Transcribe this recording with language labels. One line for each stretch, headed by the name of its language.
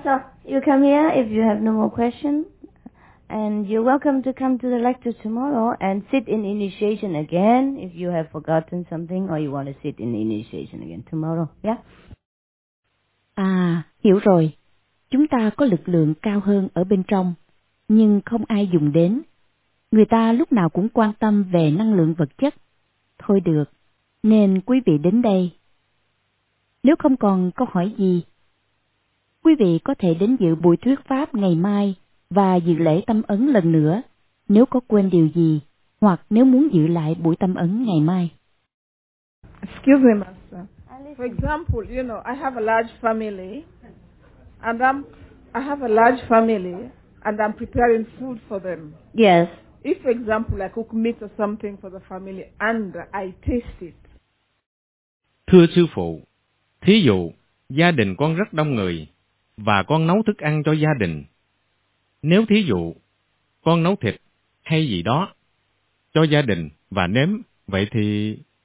English: So, you come here if you have no more questions. And you're welcome to come to the lecture tomorrow and sit in initiation again if you have forgotten something or you want to sit in initiation again tomorrow, yeah?
Vietnamese: À, hiểu rồi. Chúng ta có lực lượng cao hơn ở bên trong, nhưng không ai dùng đến. Người ta lúc nào cũng quan tâm về năng lượng vật chất. Thôi được, nên quý vị đến đây. Nếu không còn câu hỏi gì, quý vị có thể đến dự buổi thuyết pháp ngày mai và dự lễ tâm ấn lần nữa, nếu có quên điều gì, hoặc nếu muốn giữ lại buổi tâm ấn ngày mai.
English: Excuse me, Master. For example, you know, I have a large family, and I'm preparing food for them. Yes. If, for example, I cook meat or something for the family, and I taste it.
Vietnamese: Thưa sư phụ, thí dụ, gia đình con rất đông người, và con nấu thức ăn cho gia đình. Nếu thí dụ, con nấu thịt hay gì đó cho gia đình và nếm, vậy thì...